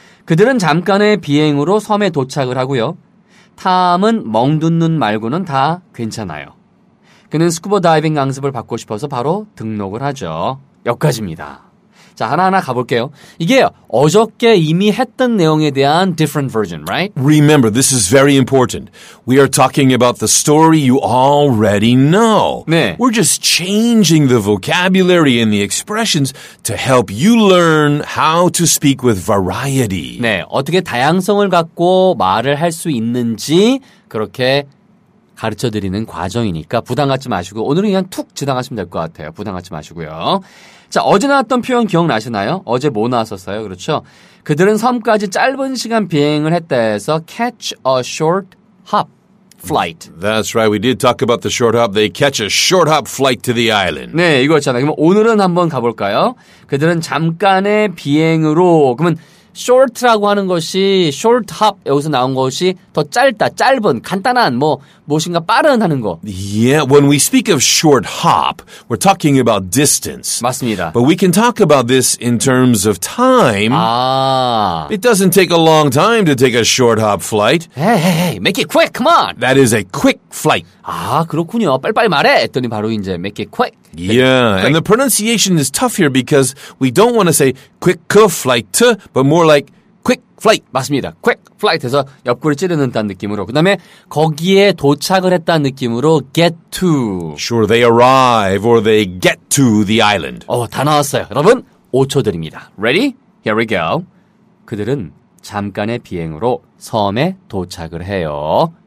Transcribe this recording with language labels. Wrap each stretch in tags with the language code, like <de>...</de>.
<ko>그들은 잠깐의 비행으로 섬에 도착을 하고요. 탐은 멍든 눈 말고는 다 괜찮아요. 그는 스쿠버 다이빙 강습을 받고 싶어서 바로 등록을 하죠. 여기까지입니다. 자, 하나하나 가볼게요. 이게 어저께 이미 했던 내용에 대한</ko> <en>different version, right? Remember, this is very important. We are talking about the story you already know.</en> <ko>네.</ko> <en>We're just changing the vocabulary and the expressions to help you learn how to speak with variety.</en> <ko>네, 어떻게 다양성을 갖고 말을 할 수 있는지 그렇게 가르쳐드리는 과정이니까 부담 갖지 마시고 오늘은 그냥 툭 지나가시면 될 것 같아요. 부담 갖지 마시고요. 자, 어제 나왔던 표현 기억나시나요? 어제 뭐 나왔었어요? 그렇죠? 그들은 섬까지 짧은 시간 비행을 했다 해서</ko> <en>catch a short hop flight. That's right. We did talk about the short hop. They catch a short hop flight to the island.</en> <ko>네, 이거였잖아요. 그럼 오늘은 한번 가볼까요? 그들은 잠깐의 비행으로 그러면 short라고 하는 것이 short hop 여기서 나온 것이 더 짧다, 짧은, 간단한 뭐 무엇인가 빠른 하는 거.</ko> <en>Yeah, when we speak of short hop, we're talking about distance.</en> <ko>맞습니다.</ko> <en>But we can talk about this in terms of time.</en> <ko>아,</ko> <en>it doesn't take a long time to take a short hop flight. Hey, hey, hey, make it quick, come on. That is a quick flight.</en> <ko>아, 그렇군요. 빨리빨리 말해. 했더니 바로 이제</ko> <en>make it quick. Yeah, and the pronunciation is tough here because we don't want to say quick flight, but more like quick flight.</en> <ko>맞습니다. Quick flight 해서 옆구리 찌르는 듯한 느낌으로. 그 다음에 거기에 도착을 했다는 느낌으로 get to.</ko> <en>Sure, they arrive or they get to the island.</en> <ko>어, 다 나왔어요. 여러분, 5초 드립니다.</ko> <en>Ready? Here we go.</en> <ko>그들은 잠깐의 비행으로 섬에 도착을 해요.</ko>